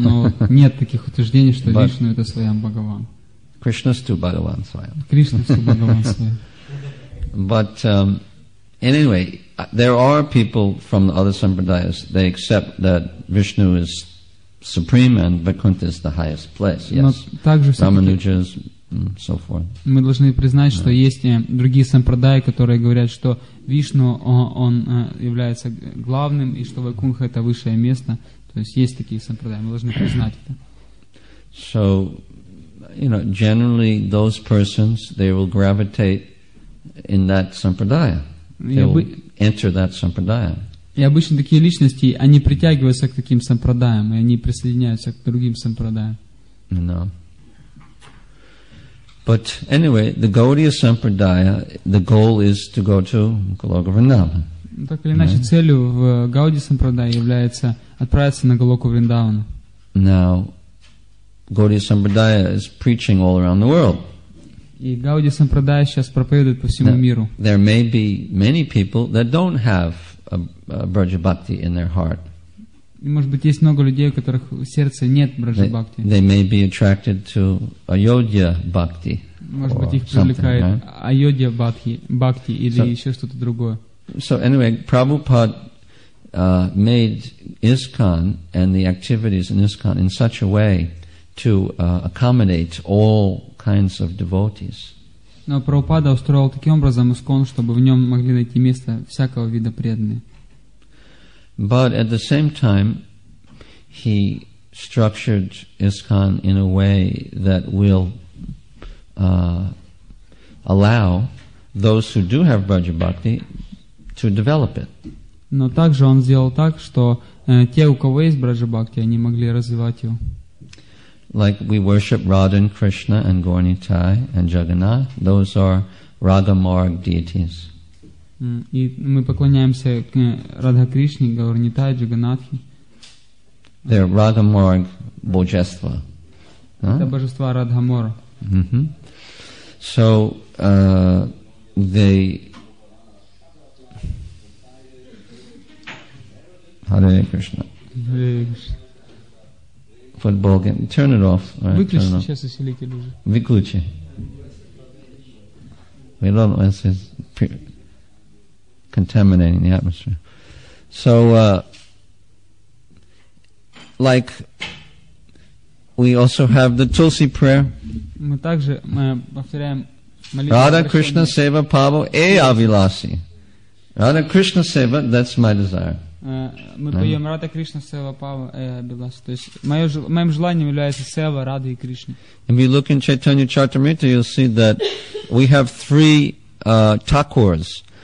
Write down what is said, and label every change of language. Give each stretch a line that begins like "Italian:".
Russian: Но нет таких утверждений, что Вишну это Свайам Бхагаван.
English: Krishna's too Bhagavan Swayam. Krishna's too Bhagavan Swayam. But anyway, there are people from the other sampradayas. They accept that Vishnu is supreme and Vaikuntha is the highest place. Yes, Ramanuja is. So forth.
Russian: Мы должны признать, что есть другие сампрадаи, которые говорят, что Вишну он является главным и что Вайкунха это высшее место. То есть есть такие сампрадаи. Мы должны признать это.
English: So, you know, generally those persons they will gravitate in that sampradaya. They will enter that sampradaya.
Russian: И обычно такие личности они притягиваются к таким сампрадаям и они присоединяются к другим сампрадаям.
English: No. But anyway, the Gaudiya Sampradaya, the goal is to go to Goloka Vrindavan.
Russian: Так или иначе, целью в Gaudiya Sampradaya является отправиться на Голоку Вриндаван.
English: Now, Gaudiya Sampradaya is preaching all around the world.
Russian: И Gaudiya Sampradaya сейчас проповедует по всему миру.
English: There may be many people that don't have a Braja Bhakti in their heart.
Russian: Может быть, есть много людей, у которых в сердце нет Браджа-бхакти.
English: They may be attracted to Айодья-бхакти.
Russian: Может быть, их привлекает Айодья-бхакти или еще что-то другое.
English: So anyway, Prabhupada made ISKCON and the activities in ISKCON in such a way to accommodate all kinds of devotees.
Russian: Но Прабхупада устроил таким образом ISKCON, чтобы в нем могли найти место всякого вида преданные.
English: But at the same time, he structured ISKCON in a way that will allow those who do have Braja Bhakti to develop it.
Russian: Но также он сделал так, что те, у кого есть Браджа Бхакти, они могли развивать его.
English: Like we worship Radha and Krishna and Gaur Nitai and Jagannath, those are Raga Marg deities.
Russian: И мы поклоняемся Радха Кришне, Гаур Нитай, Джаганатхи.
English: They're
Russian: Радха Морг Божества. Это божества Радха Мора.
English: So they Hare Krishna. Hare Krishna. Football game. Turn it off.
Russian: Выключи сейчас усилитель уже. Выключи.
English: We don't want to say contaminating the atmosphere. So, like, we also have the Tulsi prayer.
Russian: Мы также повторяем молитву.
English: Radha Krishna Seva
Bangla: Pavo E Avilasi.
English: Radha Krishna Seva, that's my desire.
Russian: Мы поем Radha Krishna Seva
Bangla: Pavo E Avilasi.
Russian: То есть моим желанием является Сева, Радха и Кришна.
English: If you look in Chaitanya Charitamrita, you'll see that we have three Thakurs.